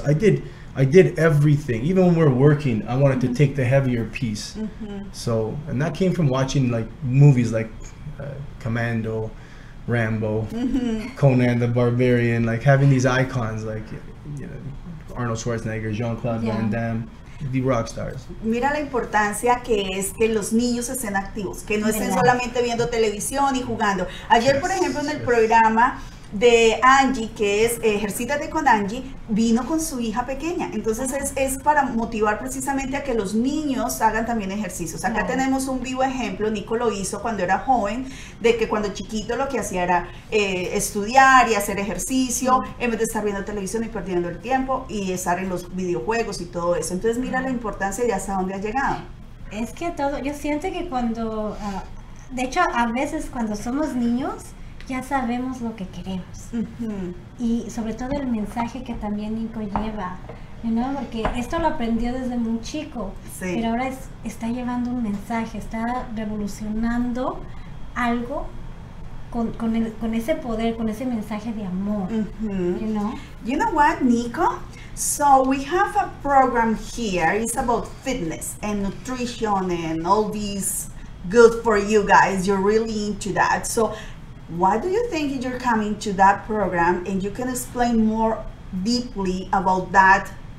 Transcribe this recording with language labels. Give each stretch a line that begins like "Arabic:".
English: So I did everything. Even when we're working, I wanted to take the heavier piece. So, and that came from watching like movies like Commando, Rambo, Conan the Barbarian, like having these icons like, you know, Arnold Schwarzenegger, Jean-Claude Van Damme. The rock stars.
Spanish: Mira la importancia que es que los niños estén activos, que no estén solamente viendo televisión y jugando. Ayer, por ejemplo, en el programa de Angie, que es Ejercítate con Angie, vino con su hija pequeña. Entonces es para motivar precisamente a que los niños hagan también ejercicios. Acá tenemos un vivo ejemplo, Nico lo hizo cuando era joven, de que cuando chiquito lo que hacía era estudiar y hacer ejercicio, en vez de estar viendo televisión y perdiendo el tiempo y estar en los videojuegos y todo eso. Entonces mira la importancia y hasta dónde ha llegado. Es que todo, yo siento que cuando, de hecho a veces cuando somos niños, ya sabemos lo que queremos. Y sobre todo el mensaje que también Nico lleva, you know? Porque esto lo aprendió desde muy chico, pero ahora está llevando un mensaje, está revolucionando algo con ese poder, con ese mensaje de amor.
English: You know what, Nico? So we have a program here, it's about fitness and nutrition and all these good for you guys, you're really into that. So why do you think you're coming to that program, and you can explain more deeply about that?